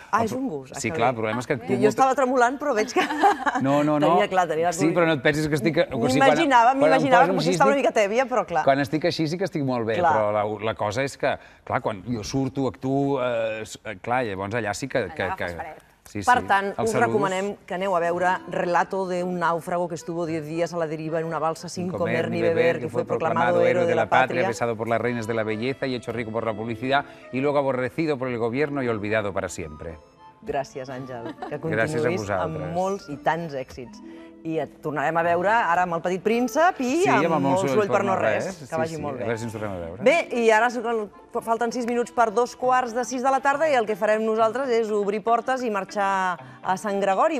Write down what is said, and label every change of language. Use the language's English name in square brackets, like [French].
[Catalan] Ah, és un gust. Sí, clar, el problema és que... Tu jo estava tremolant, però veig que... No. Tenia clar, tenia... Sí, però no et pensis que estic... M'imaginava, com si estava una mica tèbia, però clar. Quan estic així sí que estic molt bé, però la cosa és que... Clar, quan jo surto, actuo... Clar, llavors allà sí que... Per tant, us recomanem que aneu a veure [Spanish] Relato de un náufrago que estuvo 10 días a la deriva en una balsa sin comer ni beber, que fue proclamado héroe de la patria, besado por las reinas de la belleza y hecho rico por la publicidad, y luego aborrecido por el gobierno y olvidado para siempre. [Catalan] Gràcies, Àngel, que continuïs amb molts i tants èxits. I et tornarem a veure ara amb el Petit Príncep i amb molt soroll per no res. Que vagi molt bé. A veure si ens tornem a veure. Bé, i ara falten 6 minuts per 6:45 de la tarda i el que farem nosaltres és obrir portes i marxar a Sant Gregori.